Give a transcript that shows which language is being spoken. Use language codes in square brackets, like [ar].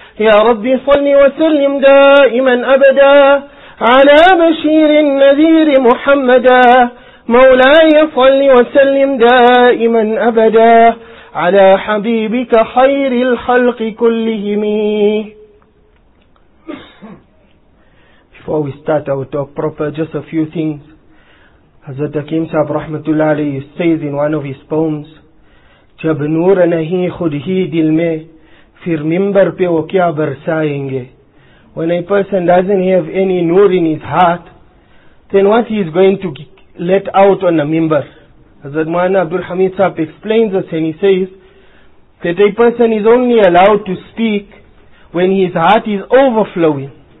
[ar] يا ربي صل وسلم دائما أبدا على بشير النذير محمدا. مولاي صل وسلم دائما أبدا على حبيبك خير الخلق كلهم. [en] Before we start our talk proper, just a few things. Hazrat Hakim Sahib Rahmatullah Alayhi says in one of his poems: [ur] جب نور نہیں خود ہی دل میں پھر ممبر پہ وہ کیا برسائیں گے. [en] When a person doesn't have any nur in his heart, then what he is going to let out on a mimbar? Hazrat Mawlana Abdul Hamid Sahib explains us and he says that a person is only allowed to speak when his heart is overflowing.